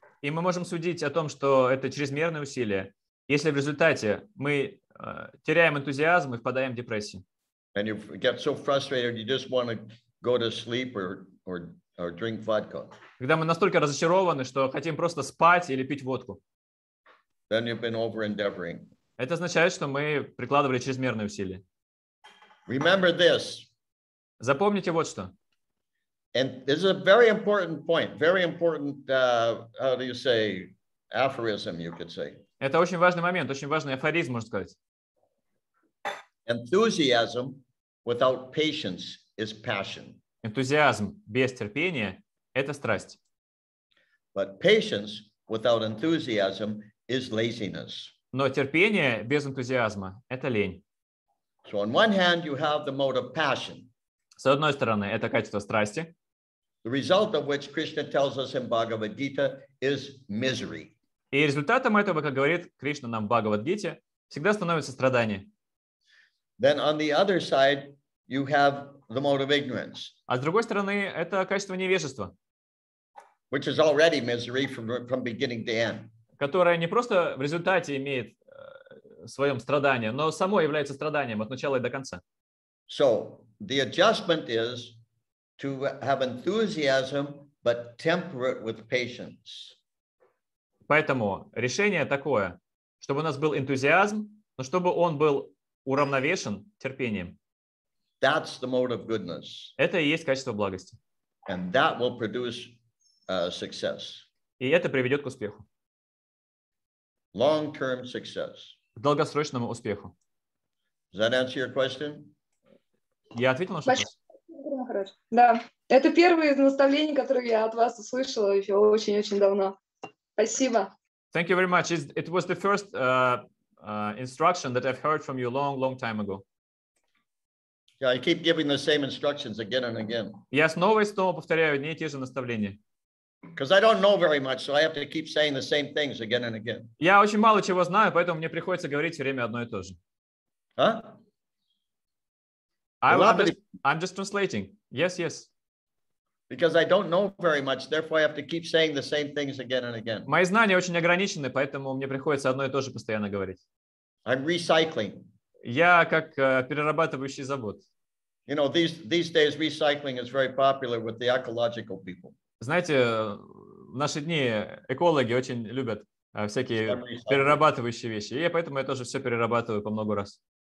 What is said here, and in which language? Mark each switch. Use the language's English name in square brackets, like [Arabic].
[Russian] И мы можем судить о том, что это чрезмерные усилия, если в результате мы теряем энтузиазм и впадаем в депрессию. [English] And you get so frustrated you just want to go to sleep or drink vodka. [Russian] Когда мы настолько разочарованы, что хотим просто спать или пить водку. [English] Then you've been over-endeavoring. [Russian] Это означает, что мы прикладывали чрезмерные усилия. [English] Remember this. [Russian] Запомните вот что. [English] And this is a very important point, very important, how do you say, aphorism, you could say. [Russian] Это очень важный момент, очень важный афоризм, можно сказать. [English] Enthusiasm without patience is passion. [Russian] Энтузиазм без терпения – это страсть. [English] But patience without enthusiasm is laziness. [Russian] Но терпение без энтузиазма – это лень. [English] So on one hand you have the mode of passion. [Russian] С одной стороны, это качество страсти. [English] The result of which Krishna tells us in Bhagavad Gita is misery. [Russian] И результатом этого, как говорит Кришна нам в Бхагавад-гите, всегда становится страдание. [English] Then on the other side you have the mode of ignorance. [Russian] А с другой стороны, это качество невежества. [English] Which is already misery from beginning to end. [Russian] Которое не просто в результате имеет в своем страдание, но само является страданием от начала и до конца. [English] So, the adjustment is to have enthusiasm, but temperate with patience. [Russian] Поэтому решение такое, чтобы у нас был энтузиазм, но чтобы он был уравновешен терпением. [English] That's the mode of goodness. [Russian] Это и есть качество благости. [English] And that will produce success. [Russian] И это приведет к успеху. [English] Long-term success. [Russian] К долгосрочному успеху. [English] Does that answer your question? [Russian] Я ответил на что-то? Да, это первое из наставлений, которое я от вас услышала еще очень-очень давно. Спасибо. [English] Thank you very much. It was the first instruction that I've heard from you long, long time ago. Yeah, I keep giving the same instructions again and again. [Russian] Я снова и снова повторяю одни и те же наставления. [English] Because I don't know very much, so I have to keep saying the same things again and again. [Russian] Я очень мало чего знаю, поэтому мне приходится говорить все время одно и то же. А? [English] I'm just translating. Yes, yes. Because I don't know very much, therefore I have to keep saying the same things again and again. [Russian] Мои знания очень ограничены, поэтому мне приходится одно и то же постоянно говорить. [English] I'm recycling. [Russian] Я как перерабатывающий завод. [English] You know, these days recycling is very popular with the ecological people. [Russian] Знаете, в наши дни экологи очень любят всякие перерабатывающие вещи, и поэтому я тоже все перерабатываю по много раз.